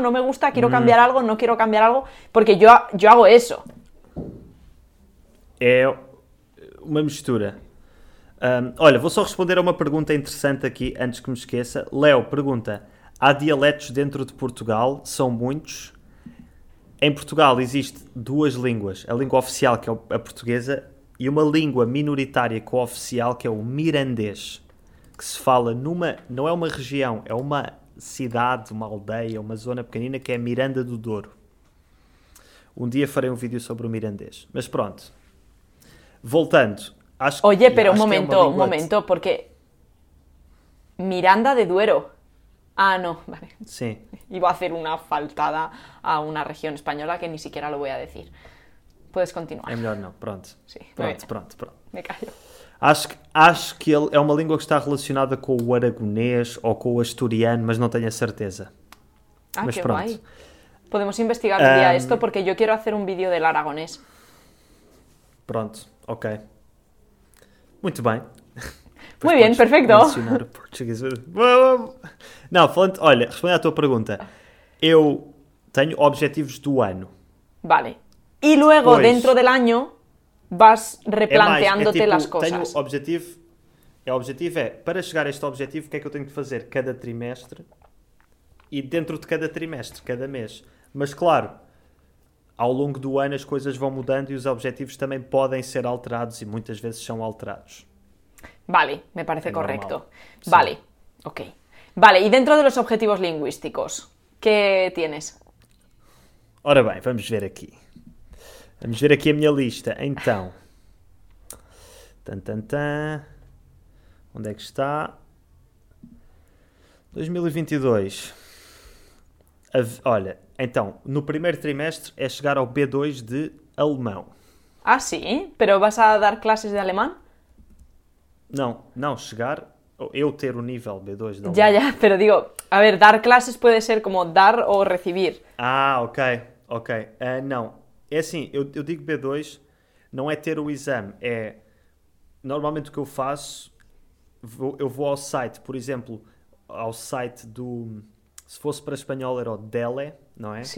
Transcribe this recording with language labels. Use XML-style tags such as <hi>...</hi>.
<es>¿No me gusta? ¿Quiero cambiar algo? ¿No quiero cambiar algo? Porque yo hago eso.</es> <pt>Es una mistura. Olha, vou só responder a</pt> <es>una pregunta interesante aquí</es> <pt>antes que me esqueça.</pt> <es>Leo pregunta: ¿há dialectos dentro de Portugal? ¿Son muchos?</es> <pt>Em Portugal existe duas línguas, a língua oficial, que é a portuguesa, e uma língua minoritária co-oficial, que é o mirandês, que se fala numa, não é uma região, é uma cidade, uma aldeia, uma zona pequenina, que é Miranda do Douro. Um dia farei um vídeo sobre o mirandês. Mas pronto. Voltando. Acho</pt> <es>que, oye, pero</es> <pt>acho um momento,</pt> <es>porque Miranda de Douro. Ah, no, vale. Sí. Iba a hacer una faltada a una región española que ni siquiera lo voy a decir. Puedes continuar. Es mejor no, pronto. Sí, pronto. Me callo.</es> <pt>Acho que ele é uma língua que está relacionada com o aragonês ou com o asturiano, mas não tenho a certeza.</pt> <es>Ah, mas que pronto. Guay. Podemos investigar un día esto porque yo quiero hacer un vídeo del aragonés.</es> <pt>Pronto, ok. Muito bem.</pt> <es>Pois. Muy bien, perfecto.</es> <pt>Português. Não, falando, olha, responde à tua pergunta. Eu tenho objetivos do ano. Vale. E logo, pois, dentro do ano, vas replanteando-te as coisas. Tenho objetivo. O objetivo é, para chegar a este objetivo, o que é que eu tenho que fazer cada trimestre? E dentro de cada trimestre, cada mês. Mas, claro, ao longo do ano as coisas vão mudando e os objetivos também podem ser alterados e muitas vezes são alterados.</pt> <es>Vale, me parece correcto. Sí. Vale, ok. Vale, y dentro de los objetivos lingüísticos, ¿qué tienes? Ora bien, vamos ver aquí. Vamos ver aquí a mi lista. Entonces, ¿dónde está? 2022. Olha, entonces, no primer trimestre es llegar al B2 de alemán. Ah, sí, pero ¿vas a dar clases de alemán?</es> <pt>Não, chegar, eu ter o nível B2 da alemão. Já,</pt> <es>pero digo, a ver,</es> <pt>dar classes pode ser como dar ou receber. Ah, ok. Não, é assim, eu digo B2, não é ter o exame, é, normalmente o que eu faço, eu vou ao site, por exemplo, ao site do, se fosse para espanhol era o DELE, não é?</pt>